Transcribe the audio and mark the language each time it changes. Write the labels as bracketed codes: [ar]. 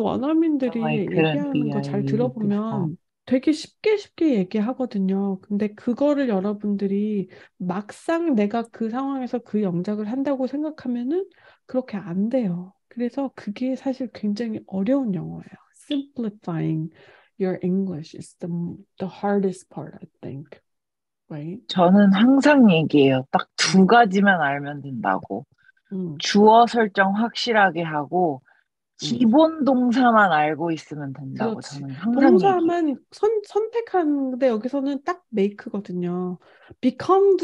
[ko] 원어민들이 [en] couldn't be [ko] 얘기하는 거잘 [en] IU with this hat. [ko] 들어보면 되게 쉽게 얘기하거든요. 근데 그거를 여러분들이 막상 내가 그 상황에서 그 영작을 한다고 생각하면은 그렇게 안 돼요. 그래서 그게 사실 굉장히 어려운 영어예요. [en] Simplifying your English is the hardest part, I think. Right? [ko] 저는 항상 얘기해요. 딱두 가지만 알면 된다고. 주어 설정 확실하게 하고, 기본 동사만 알고 있으면 된다고 그렇지. 저는 항상 얘기해요. 동사만 선택하는데 여기서는 딱 make거든요. become도